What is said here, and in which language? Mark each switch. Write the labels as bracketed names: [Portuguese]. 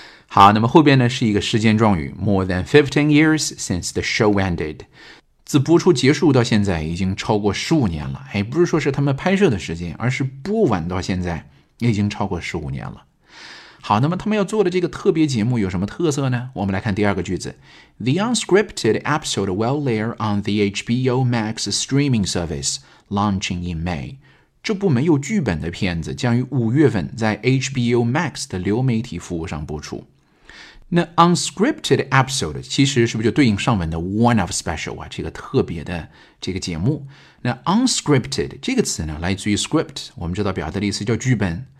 [Chinese] 好，那么后边呢是一个时间状语 [English] More than 15 years since the show ended， [Chinese] 自播出结束到现在已经超过15年了，哎，不是说是他们拍摄的时间，而是播完到现在已经超过15年了。好，那么他们要做的这个特别节目有什么特色呢？我们来看第二个句子。 [English] The unscripted episode will air on the HBO Max streaming service launching in May. [Chinese] 这部没有剧本的片子将于五月份在 HBO Max 的流媒体服务上播出。那 [English] unscripted episode [Chinese] 其实是不是就对应上文的 [English] one of special [Chinese] 啊，这个特别的这个节目。那 unscripted 这个词呢来自于 script， 我们知道表达的意思叫剧本。